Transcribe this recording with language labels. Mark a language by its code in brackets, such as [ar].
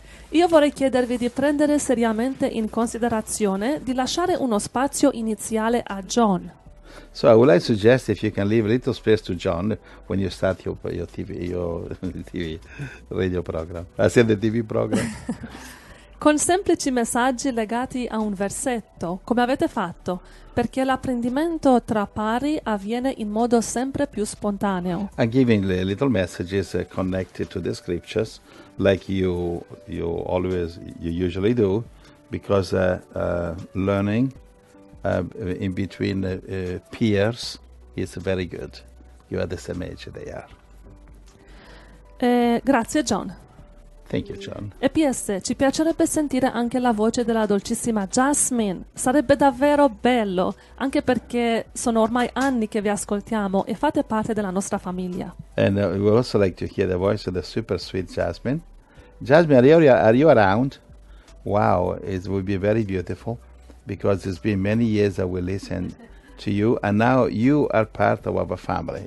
[it] Io vorrei chiedervi di prendere seriamente in considerazione di lasciare uno spazio iniziale a John. [en] So I would like to suggest if you can leave a little space to John when you start your TV, radio program. I said the TV program. [it] Con semplici messaggi legati a un versetto, come avete fatto, perché l'apprendimento tra pari avviene in modo sempre più spontaneo. [en] I'm giving little messages connected to the scriptures, like you usually do, because learning in between peers is very good. You are the same age they are. [it] Grazie John. E [en] Thank you, John. [it] PS, ci piacerebbe sentire anche la voce della dolcissima Jasmine. Sarebbe davvero bello, anche perché sono ormai anni che vi ascoltiamo e fate parte della nostra famiglia. [en] And we would also like to hear the voice of the super sweet Jasmine. Jasmine, are you around? Wow, it would be very beautiful because it's been many years that we listen to you and now you are part of our family.